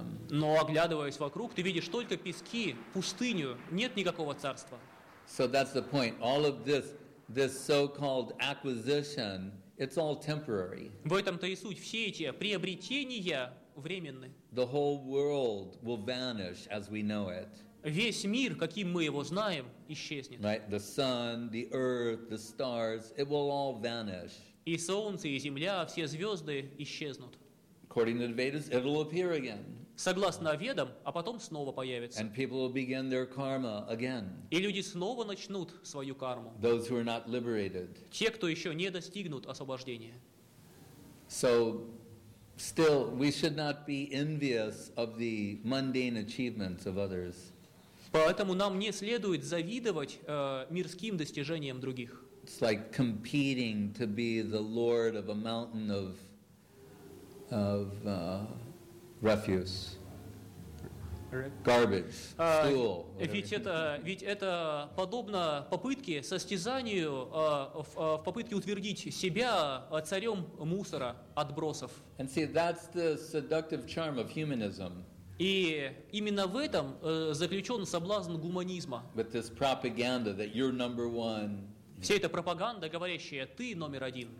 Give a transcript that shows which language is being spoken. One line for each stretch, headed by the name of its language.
Russian: Но оглядываясь вокруг, ты видишь только пески, пустыню, нет никакого царства.
English: So that's the point. All of this so-called acquisition, it's all temporary.
Russian: В этом-то и суть. Все эти приобретения временны.
English: The whole world will vanish as we know it.
Russian: Весь мир, каким мы его знаем, исчезнет.
English: Right? The sun, the earth, the stars, it will all vanish.
Russian: И солнце, и земля, все звезды исчезнут.
English: According to the Vedas, it will appear again.
Russian: согласно ведам, а потом снова появится.
English: And people will begin their karma again.
Russian: И люди снова начнут свою карму.
English: Those who are not liberated.
Russian: Те, кто еще не достигнут освобождения.
English: So, still, we should not be envious of the mundane achievements of others.
Russian: Поэтому нам не следует завидовать мирским достижениям других.
English: It's like competing to be the lord of a mountain of refuse, garbage, stool.
Russian: Ведь это подобно попытке, состязанию в попытке утвердить себя царем мусора, отбросов.
English: And see, that's the seductive charm of humanism.
Russian: И именно в этом заключен соблазн гуманизма.
English: With this propaganda that you're number one.
Russian: Вся эта пропаганда, говорящая «ты номер один».